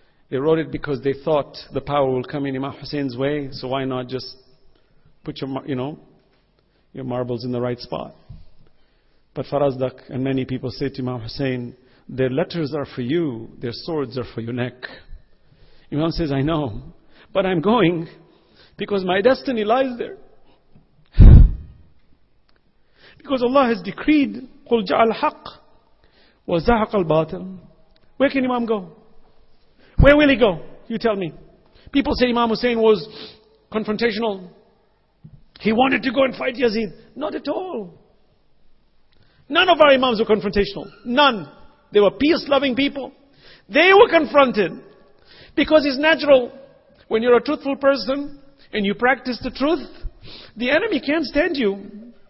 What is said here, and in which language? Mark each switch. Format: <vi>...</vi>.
<en>They wrote it because they thought the power will come in Imam Hussein's way, so why not just put your marbles in the right spot. But Farazdak and many people say to Imam Hussein, their letters are for you, their swords are for your neck. Imam says, I know, but I'm going because my destiny lies there.</en> <ar>Because Allah has decreed, قُلْ جَعَ الْحَقِّ وَزَحَقَ الْبَاطِلِ.</ar> <en>Where can Imam go? Where will he go? You tell me. People say Imam Hussein was confrontational. He wanted to go and fight Yazid. Not at all. None of our imams were confrontational. None. They were peace-loving people. They were confronted. Because it's natural, when you're a truthful person, and you practice the truth, the enemy can't stand you.</en>